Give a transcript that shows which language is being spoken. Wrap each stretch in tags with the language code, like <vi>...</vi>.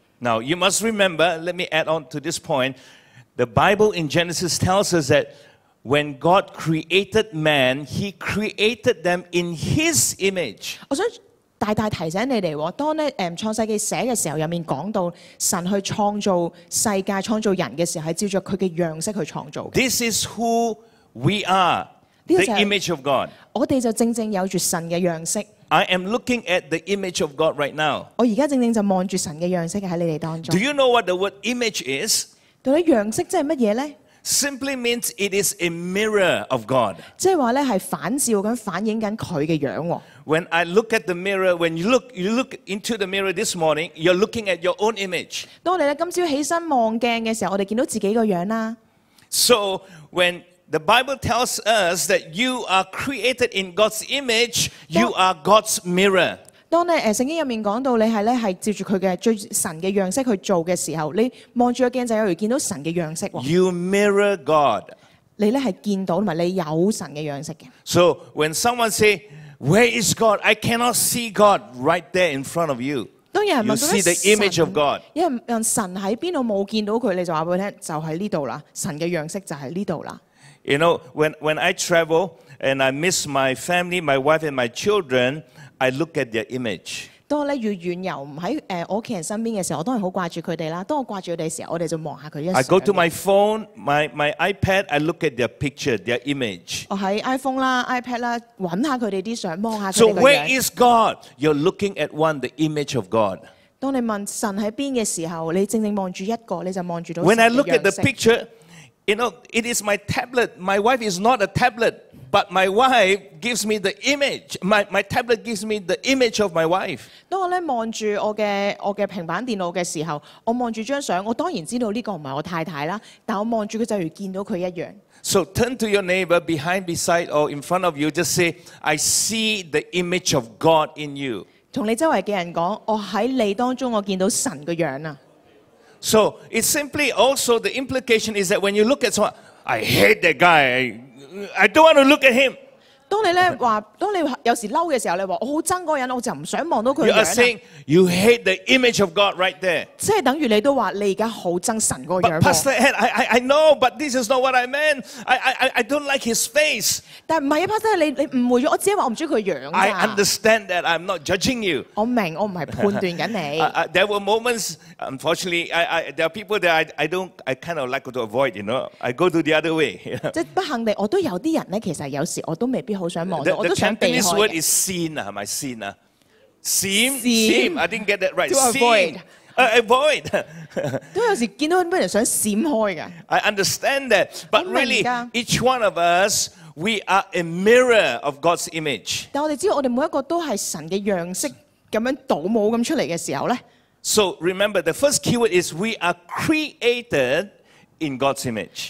<en>Now you must remember, let me add on to this point. The Bible in Genesis tells us that when God created man, He created them in His image.</en> <yue>我想大大提醒你哋，当咧创世记写嘅时候，入面讲到神去创造世界、创造人嘅时候，系照着佢嘅样式去创造。</yue> <en>This is who we are, the image of God.</en> <yue>我哋就正正有住神嘅样式。</yue> <en>I am looking at the image of God right now.</en> <yue>我而家正正就望住神嘅样式喺你哋当中。</yue> <en>Do you know what the word image is?</en> <yue>到底样式即系乜嘢咧？</yue> <en>Simply means it is a mirror of God.</en> <yue>即系话咧系反照紧、反映紧佢嘅样。</yue> <en>When I look at the mirror, when you look into the mirror this morning, you're looking at your own image.</en> <yue>当你咧今朝起身望镜嘅时候，我哋见到自己个样啦。</yue> <en>So when the Bible tells us that you are created in God's image, you are God's mirror.</en> <yue>当咧圣经入面讲到你系咧系照住佢嘅最神嘅样式去做嘅时候，你望住个镜就有如见到神嘅样式。</yue> <en>You mirror God，</en> <yue>你咧系见到同埋你有神嘅样式嘅。</yue> <en>So when someone say where is God， I cannot see God right there in front of you。</en> <yue>当有人问</yue> <en>，You see the image of God。</en> <yue>因为问神喺边度冇见到佢，你就话俾佢听就喺呢度啦，神嘅样式就喺呢度啦。</yue> <en>You know when I travel and I miss my family, my wife and my children。 I look at their image.</en> <yue>当咧要远游唔喺我屋企人身边嘅时候，我都系好挂住佢哋啦。当我挂住佢哋嘅时候，我哋就望下佢一相。</yue> <en>I go to my phone, my iPad. I look at their picture, their image.</en> <yue>我喺 iPhone 啦、iPad 啦，揾下佢哋啲相，望下佢哋。</yue> <en>So where is God? You're looking at one, the image of God.</en> <yue>当你问神喺边嘅时候，你正正望住一个，你就望住到。</yue> <en>When I look at the picture, you know it is my tablet. My wife is not a tablet. But my wife gives me the image. My tablet gives me the image of my wife.</en> <yue>当我咧望住我嘅平板电脑嘅时候，我望住张相，我当然知道呢个唔系我太太啦。但我望住佢就如见到佢一样。</yue> <en>So turn to your neighbor behind, beside, or in front of you. Just say, I see the image of God in you.</en> <yue>同你周围嘅人讲，我喺你当中，我见到神嘅样啊。</yue> <en>So it's simply also the implication is that when you look at someone, I hate that guy. I don't want to look at him.</en> <yue>当你咧话，当你有时嬲嘅时候，你话我好憎嗰个人，我就唔想望到佢。</yue> <en>You are saying you hate the image of God right there.</en> <yue>即系等于你都话你而家好憎神个样。</yue> <en>But Pastor Ed, I know, but this is not what I meant. I don't like his face.</en> <yue>但唔系啊 ，Pastor， 你误会咗，我只系话我唔中意佢样。</yue> <en>I understand that I'm not judging you.</en> <yue>我明，我唔系判断紧你。</yue> <en>There were moments, unfortunately, I there are people that I kind of like to avoid. You know, I go to the other way.</en> <yue>即不幸地，我都有啲人咧，其实有时我都未必。</yue> <en>The Cantonese word is seen, am I seen? Seem, seem. I didn't get that right. To avoid, avoid.</en> <yue>都有时见到啲人想闪开噶。</yue> <en>I understand that, but really, each one of us, we are a mirror of God's image.</en> <yue>但我哋知道，我哋每一个都系神嘅样式咁样倒模咁出嚟嘅时候咧。</yue> <en>So remember, the first keyword is we are created in God's image.</en>